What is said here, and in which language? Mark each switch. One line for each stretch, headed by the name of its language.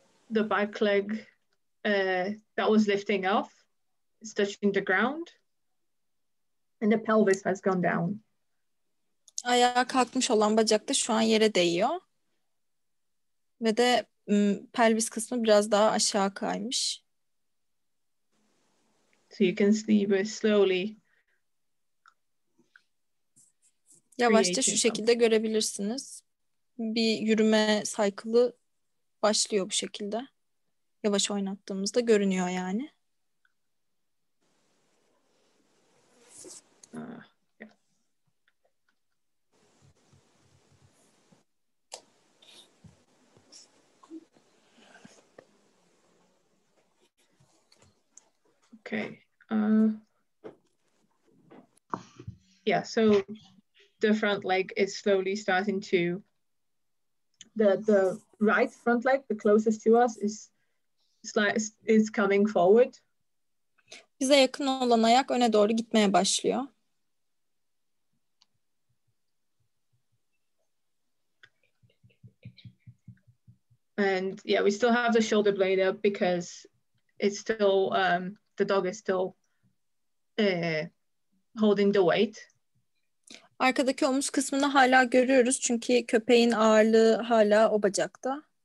English: The back leg that was lifting off, it's touching the ground, and the pelvis has gone down.
Turkish: Ayağa kalkmış olan bacak da şu an yere değiyor. Ve de pelvis kısmı biraz daha aşağı kaymış.
English: So you can see very slowly.
Turkish: Yavaşça şu şekilde görebilirsiniz. Bir yürüme cycle'ı başlıyor bu şekilde. Yavaş oynattığımızda görünüyor yani.
English: Okay. Yeah, so the front leg is slowly starting to, the right front leg, the closest to us, is coming forward.
Turkish: Bize yakın olan ayak öne doğru gitmeye başlıyor.
English: And yeah, we still have the shoulder blade up because it's still, the dog is still holding the weight.
Turkish: Arkadaki omuz kısmını hala görüyoruz çünkü köpeğin ağırlığı hala o bacakta.